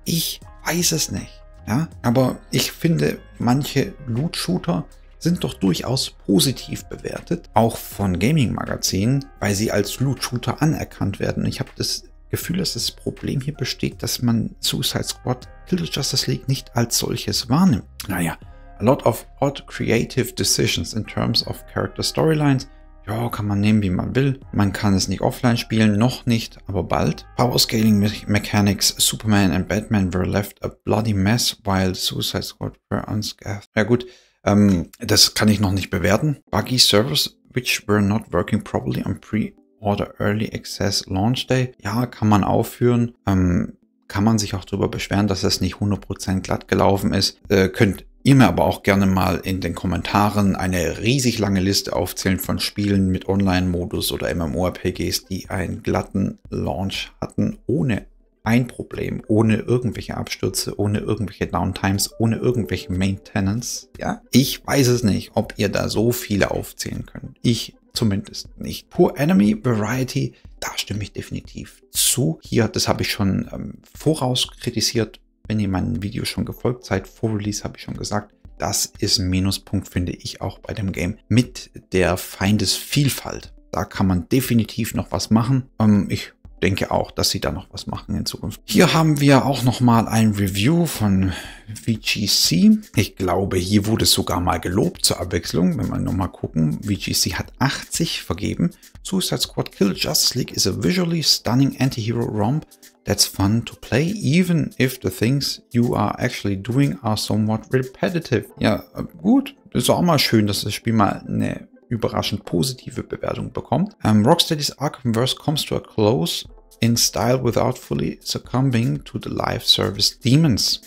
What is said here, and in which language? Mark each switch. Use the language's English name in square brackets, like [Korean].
[German] Ich weiß es nicht. Ja, aber ich finde, manche Loot-Shooter sind doch durchaus positiv bewertet. Auch von Gaming-Magazinen, weil sie als Loot-Shooter anerkannt werden. Ich habe das Gefühl, dass das Problem hier besteht, dass man Suicide Squad Kill the Justice League nicht als solches wahrnimmt. Naja. [English] A lot of odd creative decisions in terms of character storylines. [German] Ja, kann man nehmen, wie man will. Man kann es nicht offline spielen, noch nicht, aber bald. [English] Power scaling mechanics, Superman and Batman were left a bloody mess while Suicide Squad were unscathed. [German] Ja gut, das kann ich noch nicht bewerten. [English] Buggy servers, which were not working properly on pre-order early access launch day. [German] Ja, kann man aufführen. Kann man sich auch darüber beschweren, dass es nicht 100% glatt gelaufen ist. Könnt ihr mir aber auch gerne mal in den Kommentaren eine riesig lange Liste aufzählen von Spielen mit Online-Modus oder MMORPGs, die einen glatten Launch hatten, ohne ein Problem, ohne irgendwelche Abstürze, ohne irgendwelche Downtimes, ohne irgendwelche Maintenance. Ja, ich weiß es nicht, ob ihr da so viele aufzählen könnt. Ich zumindest nicht. [English] Poor Enemy Variety, [German] da stimme ich definitiv zu. Hier, das habe ich schon voraus kritisiert. Wenn ihr meinem Video schon gefolgt seid, vor Release habe ich schon gesagt, das ist ein Minuspunkt, finde ich auch bei dem Game. Mit der Feindesvielfalt, da kann man definitiv noch was machen. Ich denke auch, dass sie da noch was machen in Zukunft. Hier haben wir auch nochmal ein Review von VGC. Ich glaube, hier wurde es sogar mal gelobt zur Abwechslung. Wenn wir nochmal gucken, VGC hat 80 vergeben. [English] Suicide Squad Kill Justice League is a visually stunning anti-hero romp that's fun to play, even if the things you are actually doing are somewhat repetitive. [German] Ja, gut. Ist auch mal schön, dass das Spiel mal eine überraschend positive Bewertung bekommt. [English] Rocksteady's Arkhamverse comes to a close in style without fully succumbing to the live service demons.